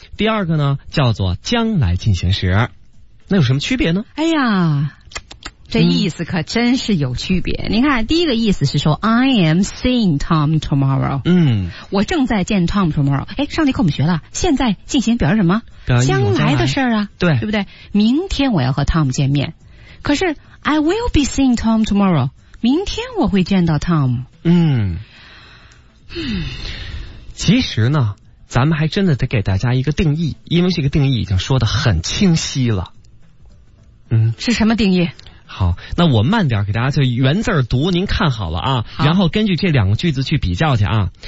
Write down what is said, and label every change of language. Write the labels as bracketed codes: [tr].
[zh] 第二个呢，叫做将来进行时。那有什么区别呢？哎呀，这意思可真是有区别。嗯、你看，第一个意思是说 [en] I am seeing Tom tomorrow. [zh] 嗯，我正在见 Tom [en] tomorrow. [zh] 哎，上帝课我们学了，现在进行表示什么？将来的事儿啊，对，对不对？明天我要和 Tom 见面，可是 [en] I will be seeing Tom tomorrow. [zh] 明天我会见到 Tom。嗯，其实呢，咱们还真的得给大家一个定义，因为这个定义已经说得很清晰了。嗯，是什么定义？好，那我慢点给大家就原字读，您看好了啊，然后根据这两个句子去比较去啊。